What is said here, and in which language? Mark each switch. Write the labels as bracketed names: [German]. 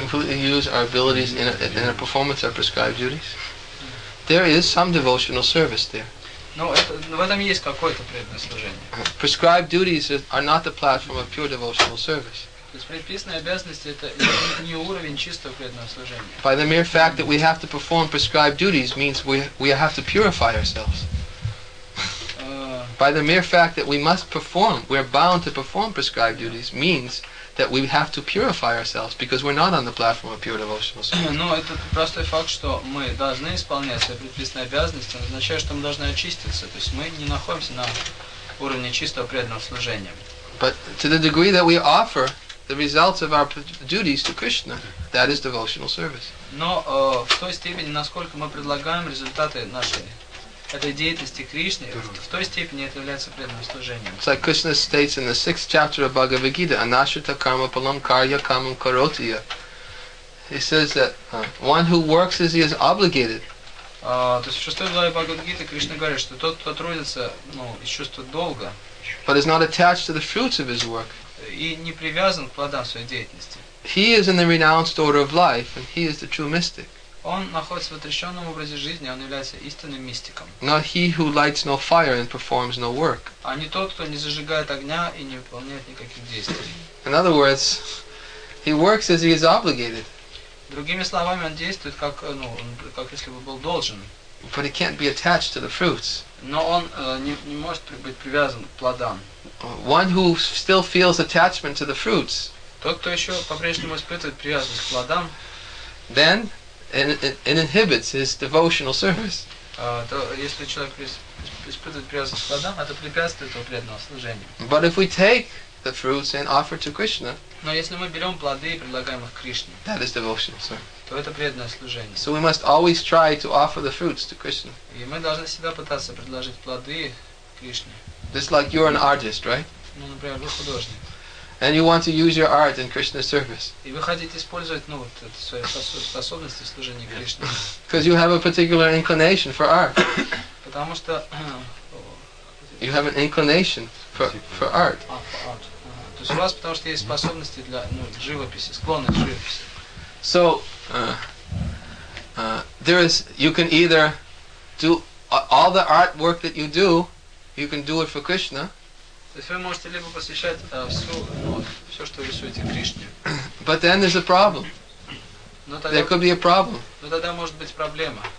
[English] We completely use our abilities in our performance of prescribed duties. There is some devotional service there. [Russian] В этом есть какое-то преданное служение. [English] Prescribed duties are not the platform of pure devotional service. [Russian] То есть предписанные обязанности – это не уровень чистого преданного служения. [English] By the mere fact that we have to perform prescribed duties means we have to purify ourselves. By the mere fact that we must perform, we are bound to perform prescribed duties, means that we have to purify ourselves because we're not on the platform of pure devotional service. [Russian] Это простой факт, что мы должны исполнять свои предписанные обязанности, означает, что мы должны очиститься. То есть мы не находимся на уровне чистого преданного служения. [English] But to the degree that we offer the results of our duties to Krishna, that is devotional service. [Russian] В той степени, насколько мы предлагаем результаты нашей этой деятельности Кришны, в той степени это является преданным служением. [English] It's like Krishna states in the 6th chapter of Bhagavad Gita, [Sanskrit] Anashrita Karma Palam Karya Kamam Karotiya. [English] He says that one who works as he is obligated. [Russian] То есть в 6 главе Бхагавад Гиты Кришна говорит, что тот, кто трудится из чувства долга, [English] but is not attached to the fruits of his work, [Russian] и не привязан к плодам своей деятельности, [English] he is in the renounced order of life, and he is the true mystic. [Russian] Он находится в отрешенном образе жизни, он является истинным мистиком. [English] Not he who lights no fire and performs no work. [Russian] А не тот, кто не зажигает огня и не выполняет никаких действий. [English] In other words, he works as he is obligated. [Russian] Другими словами, он действует как, как если бы был должен. [English] But he can't be attached to the fruits. [Russian] Но он не может быть привязан к плодам. [English] One who still feels attachment to the fruits. [Russian] Тот, кто еще по-прежнему испытывает привязанность к плодам. [English] Then and inhibits his devotional service. [Russian] Если человек испытывает привязанность к плодам, это препятствует его преданному служению. [English] But if we take the fruits and offer to Krishna, [Russian] но если мы берем плоды и предлагаем их Кришне, [English] that is devotional service. [Russian] То это преданное служение. [English] So we must always try to offer the fruits to Krishna. [Russian] И мы должны всегда пытаться предложить плоды Кришне. [English] Just like you're an artist, right? [Russian] Например, вы художник. [English] And you want to use your art in Krishna's service. [Russian] И вы хотите использовать, ну, вот, свои способности в служении Кришне. [English] Because you have a particular inclination for art. [Russian] Потому что [English] you have an inclination for art. [Russian] То есть у вас потому что есть способности для, ну, живописи, склонность к живописи. [English] So there is, you can either do all the artwork that you do, you can do it for Krishna. [Russian] То есть вы можете либо посвящать все, что вы рисуете, Кришне. [English] But then there's a problem. There could be a problem. [Russian] Но тогда может быть проблема.